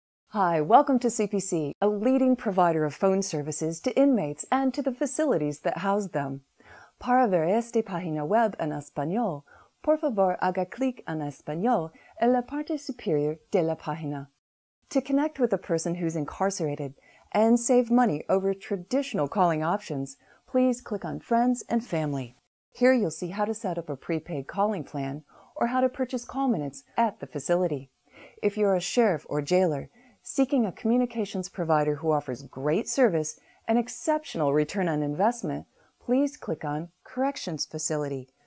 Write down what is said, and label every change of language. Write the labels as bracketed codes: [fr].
[en] Hi, welcome to CPC, a leading provider of phone services to inmates and to the facilities that house them. [es] Para ver esta página web en español, por favor haga clic en español en la parte superior de la página. [en] To connect with a person who's incarcerated and save money over traditional calling options, please click on Friends and Family. Here you'll see how to set up a prepaid calling plan or how to purchase call minutes at the facility. If you're a sheriff or jailer, seeking a communications provider who offers great service and exceptional return on investment, please click on Corrections Facility.